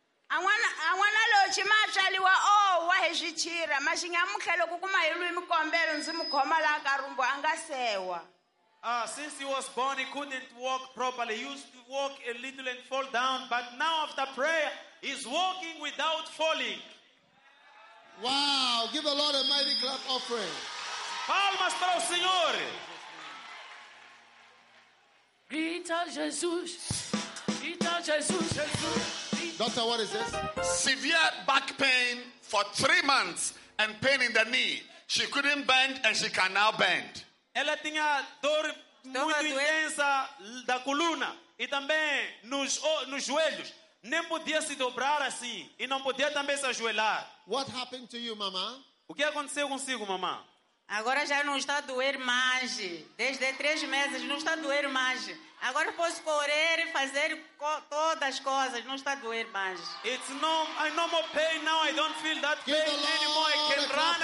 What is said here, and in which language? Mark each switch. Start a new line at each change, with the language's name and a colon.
English: A uma loja matralhou a rejeitira, mas tinha mukelo com uma ilu me comberam zimu comala garumbo angasewa. Ah, since he was born, he couldn't walk properly. He used to walk a little and fall down, but now after prayer, he's walking without falling. Wow! Give the Lord a mighty clap offering.
Portuguese: Palmas para o Senhor. Grita Jesus. Grita Jesus.
English: Doctor, what is this? Severe back pain for 3 months and pain in the knee. She couldn't bend and she can now bend.
Portuguese: Ela tinha dor muito intensa da coluna e também nos joelhos. Nem podia se dobrar assim e não podia também se ajoelhar.
English: What happened to you, mamá?
Portuguese: O que aconteceu consigo, mamá? Agora já não está a doer mais. Desde 3 meses não está a doer mais. Agora posso correr e fazer todas as coisas. Não está a doer mais.
English: It's no more pain now. I don't feel that pain anymore. I can run.